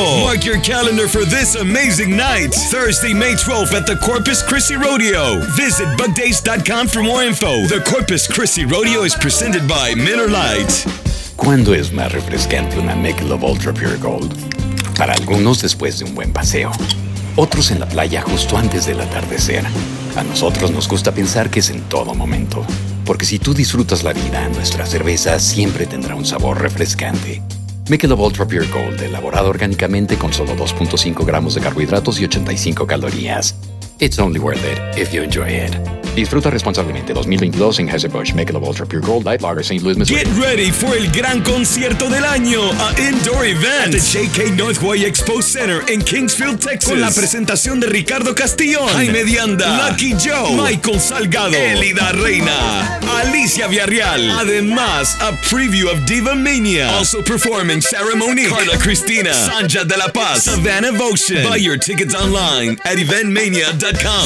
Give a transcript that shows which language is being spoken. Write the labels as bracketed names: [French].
[English] Mark your calendar for this amazing night, Thursday, May 12th at the Corpus Christi Rodeo. Visit bugdays.com for more info. The Corpus Christi Rodeo is presented by Miller Lite. [Spanish] ¿Cuándo es más refrescante una Michelob Ultra Pure Gold? Para algunos después de un buen paseo. Otros en la playa justo antes del atardecer. A nosotros nos gusta pensar que es en todo momento. Porque si tú disfrutas la vida, nuestra cerveza siempre tendrá un sabor refrescante. Michelob Ultra Pure Gold, elaborado orgánicamente con solo 2.5 gramos de carbohidratos y 85 calorías. [English] It's only worth it if you enjoy it. [Spanish] Disfruta responsablemente 2022 en Anheuser-Busch Michelob Ultra Pure Gold Light Lager St. Louis, Missouri. [English] Get ready for [Spanish] el gran concierto del año, [English] a indoor event at the J.K. [Spanish] Northway Expo Center in Kingsfield, Texas. Con la presentación de Ricardo Castillón, Jaime Dianda, Lucky Joe, Michael Salgado, Elida Reina, Alicia Villarreal. [English] Además, a preview of Diva Mania. Also performing Ceremony, Carla Cristina, Sanja de la Paz, Savannah Votion. Buy your tickets online at eventmania.com.